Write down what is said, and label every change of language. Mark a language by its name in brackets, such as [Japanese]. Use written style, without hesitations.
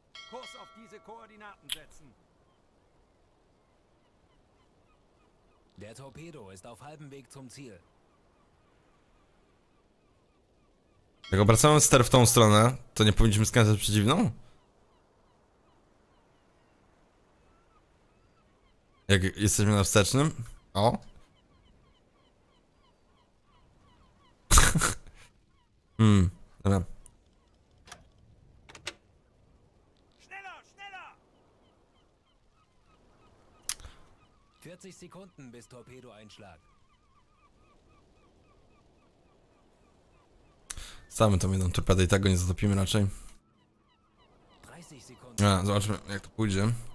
[German] Kurs auf diese Koordinaten setzen. Der Torpedo ist auf halbem Weg zum Ziel. [Polish] Jak obracamy ster w tą stronę, to nie powinniśmy skręcać przeciwną? Jak jesteśmy na wstecznym? O! dobra. [German] Schneller, schneller! 40 Sekunden bis Torpedo einschlag. [Polish] Stawmy tą jedną torpedę i tak go nie zatopimy raczej. A, zobaczmy jak to pójdzie.